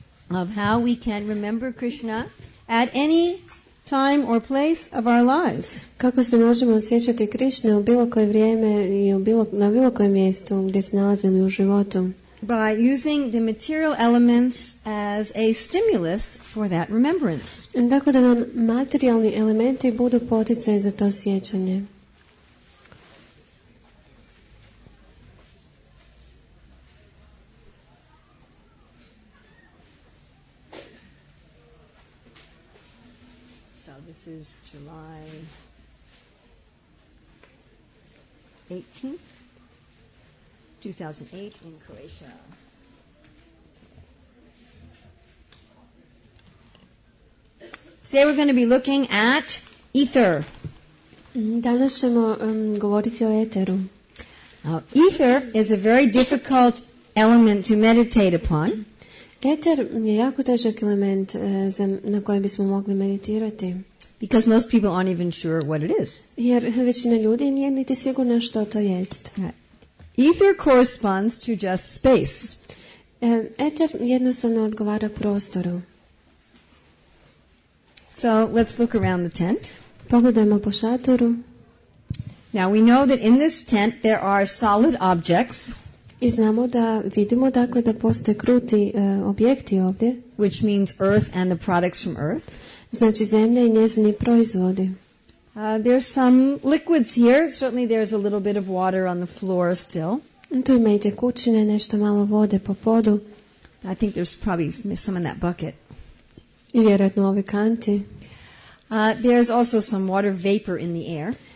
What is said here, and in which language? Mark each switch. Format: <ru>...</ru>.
<en>Of how we can remember Krishna at any time or place of our lives.</en> <hr>Kako se možemo osjećati Krishna u bilo koje vrijeme i na bilo kojem mjestu gdje se nalazimo u životu.</hr> <en>By using the material elements as a stimulus for that remembrance.</en> <hr>Tako da nam materijalni elementi budu poticaj za to sjećanje.</hr> <en>This is July 18th, 2008 in Croatia. Today we're going to be looking at ether.</en> <hr>Danas ćemo govoriti o eteru.</hr> <en>Now, ether is a very difficult element to meditate upon.</en> <hr>Eter je jako težak element na kojem bismo mogli meditirati.</hr> <en>Because most people aren't even sure what it is.</en> <hr>Jer većina ljudi nije niti sigurna što to jest.</hr> <en>Ether corresponds to just space.</en> <hr>Eter jednostavno odgovara prostoru.</hr> <en>So let's look around the tent.</en> <hr>Pogledajmo po šatoru.</hr> <en>Now we know that in this tent there are solid objects.</en> <hr>I znamo da vidimo dakle da postoje kruti objekti ovdje.</hr> <en>Which means earth and the products from earth.</en> <hr>Znači zemlja i njezini proizvodi.</hr> <en>There's some liquids here. Certainly there's a little bit of water on the floor still.</en> <hr>Tu ima i tekućine, nešto malo vode po podu.</hr> <en>I think there's probably some in that bucket.</en> <hr>I vjerojatno ove kanti.</hr> <en>There's also some water vapor in the air.</en>